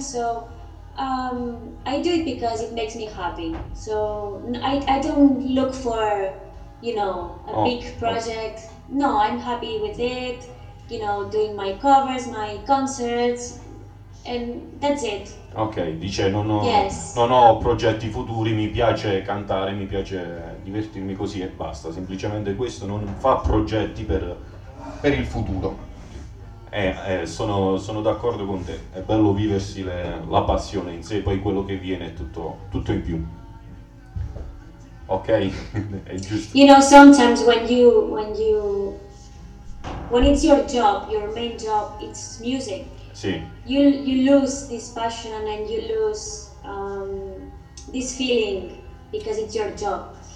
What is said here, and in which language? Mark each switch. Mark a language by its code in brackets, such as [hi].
[en] So I do it because it makes me happy. So I don't look for, you know, a big project. No, I'm happy with it. You know, doing my covers, my concerts, and that's it. [it] Ok, dice non ho progetti futuri, mi piace cantare, mi piace divertirmi così e basta, semplicemente questo, non fa progetti per il futuro. Sono d'accordo con te, è bello viversi la passione in sé, poi quello che viene è tutto in più. Ok, è giusto. [en] You know, sometimes when it's your job, your main job, it's music. [it] Sì. [en] You lose this passion and you lose this feeling because it's your job.